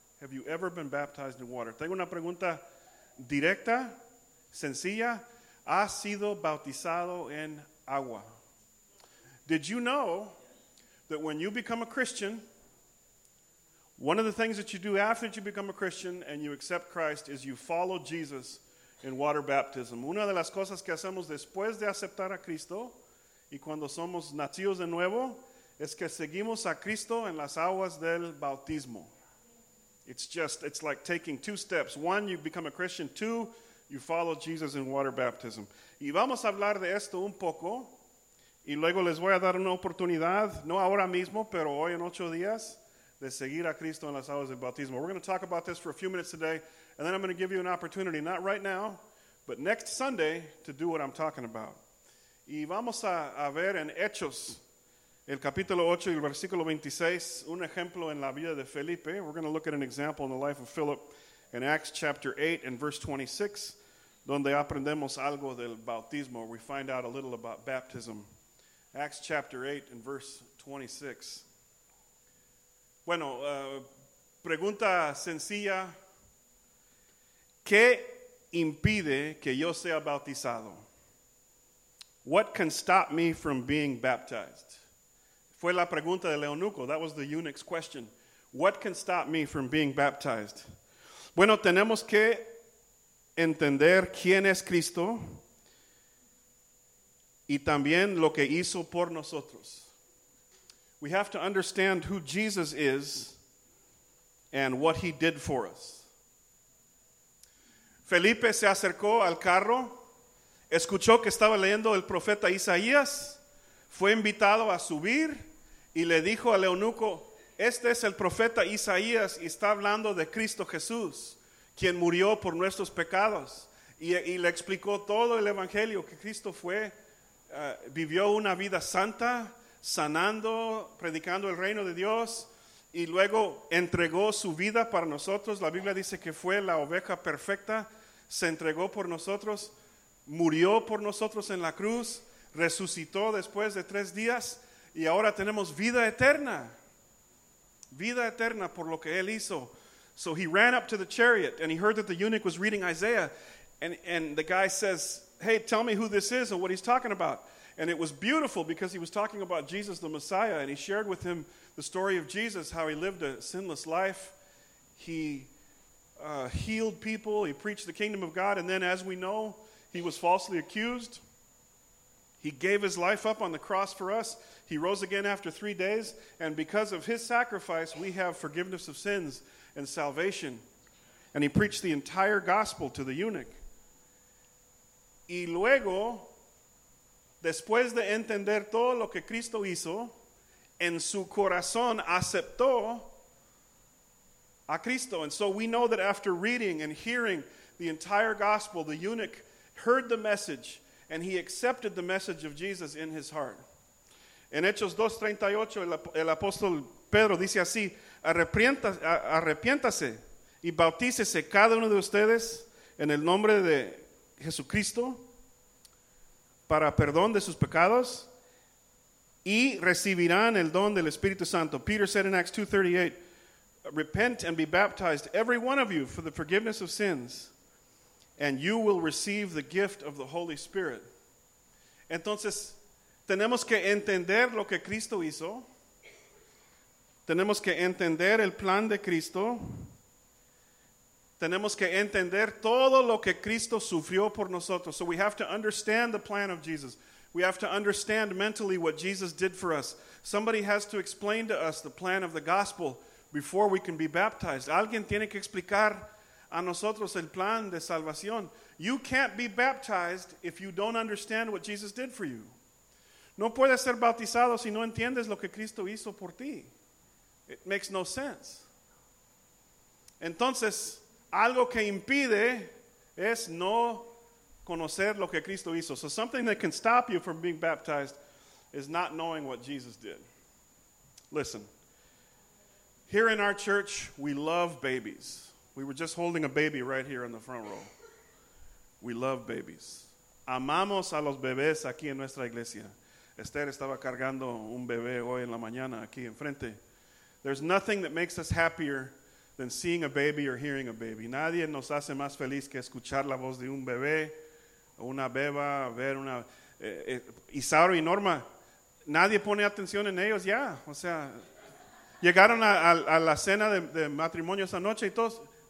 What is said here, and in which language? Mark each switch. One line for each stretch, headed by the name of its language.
English: Have you ever been baptized in water?
Spanish: Tengo una pregunta directa, sencilla. ¿Has sido bautizado en agua?
English: Did you know that when you become a Christian, one of the things that you do after that you become a Christian and you accept Christ is you follow Jesus in water baptism?
Spanish: Una de las cosas que hacemos después de aceptar a Cristo y cuando somos nacidos de nuevo es que seguimos a Cristo en las aguas del bautismo.
English: It's like taking two steps. One, you become a Christian. Two, you follow Jesus in water baptism.
Spanish: Y vamos a hablar de esto un poco. Y luego les voy a dar una oportunidad, no ahora mismo, pero hoy en ocho días, de seguir a Cristo en las aguas del bautismo.
English: We're going to talk about this for a few minutes today, and then I'm going to give you an opportunity, not right now, but next Sunday, to do what I'm talking about.
Spanish: Y vamos a ver en Hechos, el capítulo 8 y el versículo 26, un ejemplo en la vida de Felipe.
English: We're going to look at an example in the life of Philip in Acts chapter 8 and verse 26,
Spanish: donde aprendemos algo del bautismo.
English: We find out a little about baptism. Acts chapter 8 and verse 26.
Spanish: Bueno, pregunta sencilla. ¿Qué impide que yo sea bautizado?
English: What can stop me from being baptized?
Spanish: Fue la pregunta de Leonuco.
English: That was the eunuch's question. What can stop me from being baptized?
Spanish: Bueno, tenemos que entender quién es Cristo y también lo que hizo por nosotros.
English: We have to understand who Jesus is and what he did for us.
Spanish: Felipe se acercó al carro, escuchó que estaba leyendo el profeta Isaías, fue invitado a subir y le dijo a Leonuco, este es el profeta Isaías y está hablando de Cristo Jesús, quien murió por nuestros pecados. Y le explicó todo el evangelio que Cristo fue, vivió una vida santa, sanando, predicando el reino de Dios y luego entregó su vida para nosotros. La Biblia dice que fue la oveja perfecta, se entregó por nosotros, murió por nosotros en la cruz, resucitó después de tres días y ahora tenemos vida eterna por lo que Él hizo.
English: So he ran up to the chariot and he heard that the eunuch was reading Isaiah and the guy says, hey, tell me who this is and what he's talking about. And it was beautiful because he was talking about Jesus the Messiah and he shared with him the story of Jesus, how he lived a sinless life. He healed people, he preached the kingdom of God, and then as we know, he was falsely accused. He gave his life up on the cross for us. He rose again after 3 days, and because of his sacrifice, we have forgiveness of sins and salvation. And he preached the entire gospel to the eunuch.
Spanish: Y luego, después de entender todo lo que Cristo hizo, en su corazón aceptó a Cristo.
English: And so we know that after reading and hearing the entire gospel, the eunuch heard the message and he accepted the message of Jesus in his heart.
Spanish: En Hechos 2:38, el apóstol Pedro dice así, arrepiéntase y bautícese cada uno de ustedes en el nombre de Jesucristo para perdón de sus pecados, y recibirán el don del Espíritu Santo.
English: Peter said in Acts 2:38, repent and be baptized, every one of you, for the forgiveness of sins, and you will receive the gift of the Holy Spirit.
Spanish: Entonces, tenemos que entender lo que Cristo hizo. Tenemos que entender el plan de Cristo. Tenemos que entender todo lo que Cristo sufrió por nosotros.
English: So we have to understand the plan of Jesus. We have to understand mentally what Jesus did for us. Somebody has to explain to us the plan of the gospel before we can be baptized.
Spanish: Alguien tiene que explicar a nosotros el plan de salvación.
English: You can't be baptized if you don't understand what Jesus did for you.
Spanish: No puedes ser bautizado si no entiendes lo que Cristo hizo por ti.
English: It makes no sense.
Spanish: Entonces, algo que impide es no conocer lo que Cristo hizo.
English: So something that can stop you from being baptized is not knowing what Jesus did. Listen, here in our church, we love babies. We were just holding a baby right here in the front row. We love babies.
Spanish: Amamos a los bebés aquí en nuestra iglesia. Esther estaba cargando un bebé hoy en la mañana aquí enfrente.
English: There's nothing that makes us happier than seeing a baby or hearing a baby.
Spanish: Nadie nos hace más feliz que escuchar la voz de un bebé o una beba, ver una... Isauro y Norma, nadie pone atención en ellos ya. O sea, llegaron a la cena de matrimonio esa noche y todos...